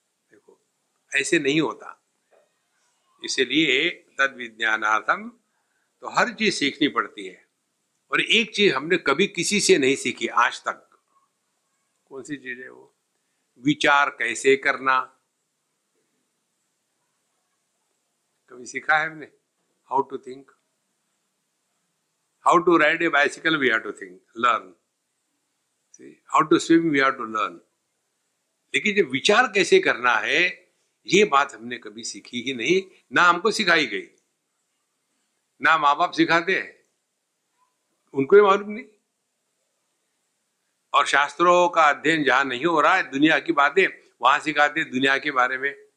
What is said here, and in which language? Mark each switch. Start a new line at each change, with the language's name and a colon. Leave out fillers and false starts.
Hindi: देखो ऐसे नहीं होता। इसलिए तद विज्ञानार्थम, तो हर चीज सीखनी पड़ती है। और एक चीज हमने कभी किसी से नहीं सीखी आज तक, कौन सी चीज है वो? विचार कैसे करना, कभी सीखा है हमने?
English: How to think, How to ride a bicycle, we have to think, learn. See, how to swim, we have to learn.
Hindi: लेकिन जब विचार कैसे करना है ये बात हमने कभी सीखी ही नहीं, ना हमको सिखाई गई, ना माँ बाप सिखाते हैं, उनको ये मालूम नहीं। और शास्त्रों का अध्ययन जहां नहीं हो रहा है, दुनिया की बातें वहां सिखाते हैं दुनिया के बारे में।